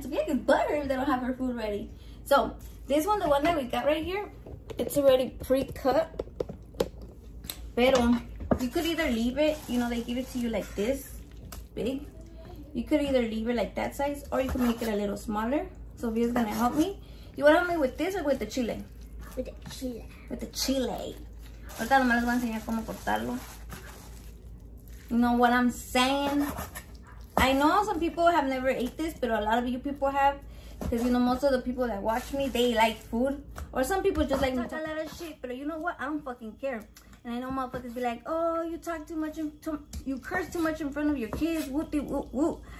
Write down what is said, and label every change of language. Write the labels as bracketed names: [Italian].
[English] Sofia gets butter if they don't have her food ready. So, this one, the one that we got right here, it's already pre-cut. Pero, you could either leave it, you know, they give it to you like this, big. You could either leave it like that size, or you can make it a little smaller. Sofia's gonna help me. You wanna help me with this or with the chile? With the chile. With the chile. [Spanish] Ahorita nomás les voy a enseñar cómo cortarlo. [English] You know what I'm saying? I know some people have never ate this, but a lot of you people have. Because, you know, most of the people that watch me, they like food. Or some people just like me. I talk a lot of shit, but you know what? I don't fucking care. And I know motherfuckers be like, oh, you talk too much, you curse too much in front of your kids, whoopie whoop whoop.